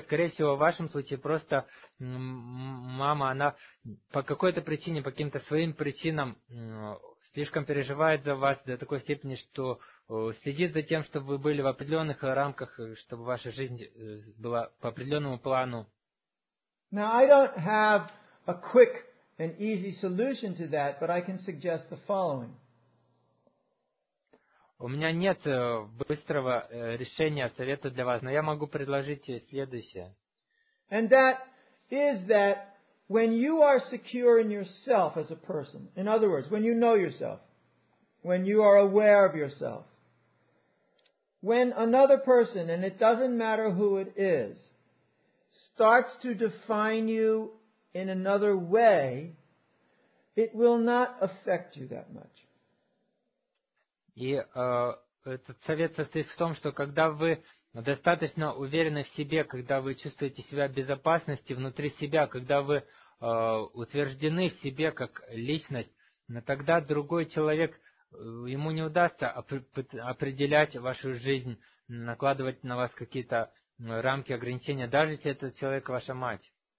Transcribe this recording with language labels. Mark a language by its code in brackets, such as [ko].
[ru] Скорее всего, в вашем случае просто мама, она по какой-то причине, по каким-то своим причинам слишком переживает за вас до такой степени, что следит за тем, чтобы вы были в определенных рамках, чтобы ваша жизнь была по определенному плану. [en] Now, I don't have a quick and easy solution to that, but I can suggest the following. [ru] У меня нет быстрого решения, совета для вас, но я могу предложить следующее. [en] And that is that when you are secure in yourself as a person, in other words, when you know yourself, when you are aware of yourself, when another person, and it doesn't matter who it is, starts to define you in another way, it will not affect you that much. [ru] И этот совет состоит в том, что когда вы достаточно уверены в себе, когда вы чувствуете себя в безопасности внутри себя, когда вы утверждены в себе как личность, тогда другой человек, ему не удастся определять вашу жизнь, накладывать на вас какие-то рамки, ограничения, даже если этот человек ваша мать.